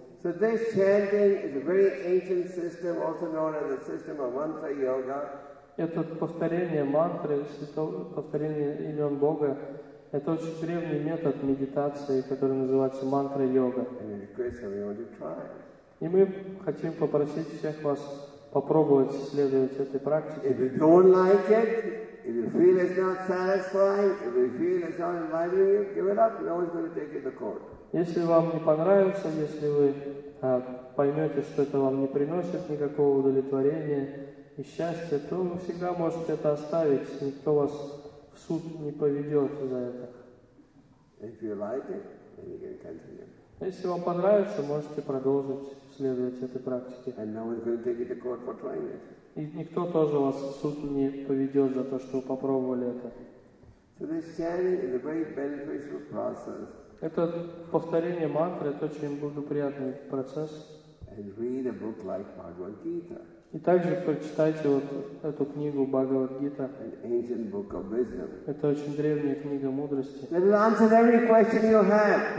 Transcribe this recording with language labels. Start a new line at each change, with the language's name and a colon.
English: So this chanting is a very ancient system, also known as the system of mantra yoga.
Russian: Это повторение мантры, повторение имен Бога, это очень древний метод медитации, который называется мантра йога.
English: And we request everyone to try.
Russian: И мы хотим попросить всех вас попробовать следовать этой практике.
English: If you don't like it, if you feel it's not satisfying, if you feel it's not inviting you, give it up. You're always going to take it to court.
Russian: Если вам не понравится, если вы поймете, что это вам не приносит никакого удовлетворения и счастья, то вы всегда можете это оставить. Никто вас в суд не поведет за это.
English: If you like it, then you can continue.
Russian: Если вам понравится, можете продолжить следовать этой практике.
English: And no one's going to take it to court for trying it.
Russian: И никто тоже вас в суд не поведет за то, что вы попробовали это.
English: So this chanting is a very beneficial process.
Russian: Это повторение мантры – это очень благоприятный процесс.
English: And read a book like Bhagavad-gita.
Russian: И также прочитайте вот эту книгу Бхагавад-гита.
English: An ancient book of wisdom.
Russian: Это очень древняя книга мудрости.
English: It will answer every question you have.